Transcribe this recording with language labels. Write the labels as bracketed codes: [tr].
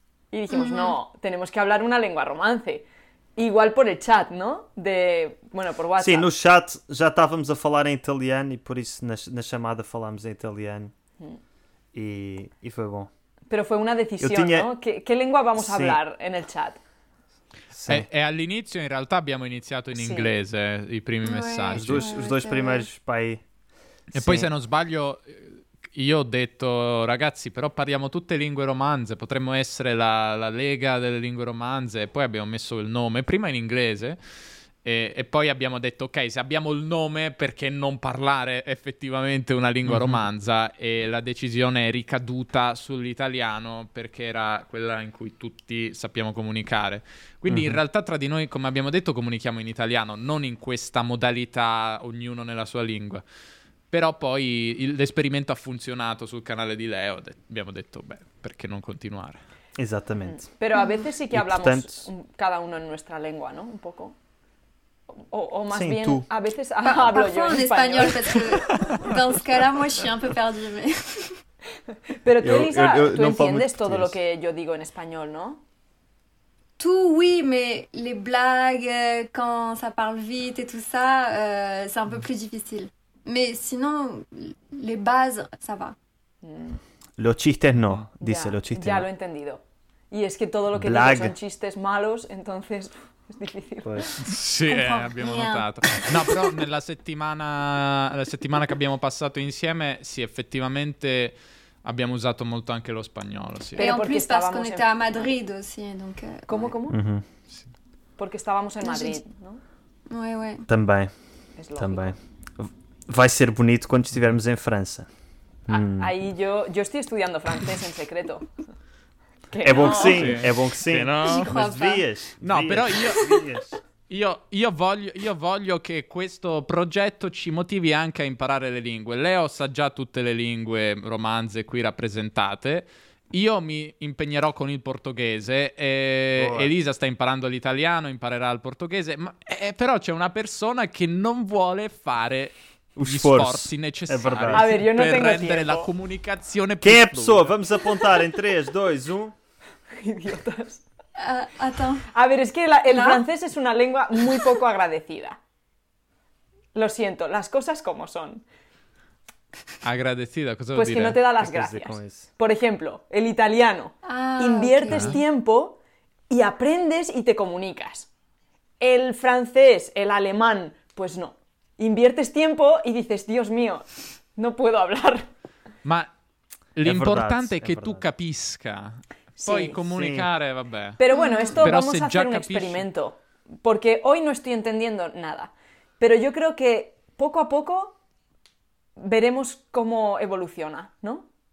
[es] Y dijimos, no, tenemos que hablar una lengua romance. Igual por el chat, ¿no? Bueno, por WhatsApp. Sí, no chat ya estábamos a hablar en italiano y por eso na llamada falamos en italiano. Y fue bueno. Pero fue una decisión, tenía... ¿no? ¿Qué lengua vamos a hablar en el chat? Sí. [it] E all'inizio, en realtà, abbiamo iniziato in inglese i primi messaggi. [es] Los dos primeros para ahí. [it] E poi, se non sbaglio... Io ho detto, ragazzi, però parliamo tutte lingue romanze, potremmo essere la Lega delle Lingue Romanze, e poi abbiamo messo il nome, prima in inglese, e poi abbiamo detto, ok, se abbiamo il nome, perché non parlare effettivamente una lingua romanza? E la decisione è ricaduta sull'italiano, perché era quella in cui tutti sappiamo comunicare. Quindi in realtà tra di noi, come abbiamo detto, comunichiamo in italiano, non in questa modalità, ognuno nella sua lingua. Però poi l'esperimento ha funzionato sul canale di Leo, abbiamo detto, beh, perché non continuare? [pt] Exatamente. [es] Pero a veces sí que hablamos portanto... cada uno en nuestra lengua, ¿no? Un poco. O más [pt] sim, [es] bien, tú. A veces hablo yo en español. [fr] Dans ce cas-là, moi, je suis un peu perdu, mais... [es] Pero tú, Elisa, tú entiendes todo lo que yo digo en español, ¿no? [fr] Tú, oui, mais les blagues, quand ça parle vite et tout ça, c'est un peu plus difficile. Mais sinon, les bases, ça va. [es] Los chistes no, dice, los chistes ya no. Lo he entendido. Y es que todo lo que digo son chistes malos, entonces... Pues. [it] Sì, abbiamo notato. No, però nella settimana che abbiamo passato insieme, sì, effettivamente abbiamo usato molto anche lo spagnolo. Sì. E in più, perché con te a Madrid, sì. Come, come? Perché stavamo in Madrid, no? Ué, ué. [pt] Também. Também. Vai ser bonito quando estivermos em França. Aí eu estou estudando francês em secreto. [it] Che è buon sì, è buon sì. No, vias, no vias, però io voglio che questo progetto ci motivi anche a imparare le lingue. Leo sa già tutte le lingue romanze qui rappresentate. Io mi impegnerò con il portoghese. E Elisa sta imparando l'italiano, imparerà il portoghese. Ma, però c'è una persona che non vuole fare gli sforzi necessari per rendere la comunicazione più fluida. Che persona? Vamos apontare in 3, 2, 1. [es] Idiotas. A ver, es que el francés es una lengua muy poco agradecida. Lo siento, las cosas como son. ¿Agradecida? ¿Cosa pues que no te da las gracias. Por ejemplo, el italiano. Inviertes tiempo y aprendes y te comunicas. El francés, el alemán, pues no. Inviertes tiempo y dices, Dios mío, no puedo hablar. [it] Ma l'importante è che tu capisca... Puoi comunicare, sí. Vabbè. [es] Pero bueno, esto pero vamos a hacer un experimento. Porque hoy no estoy entendiendo nada. Pero yo creo que poco a poco veremos cómo evoluciona, ¿no?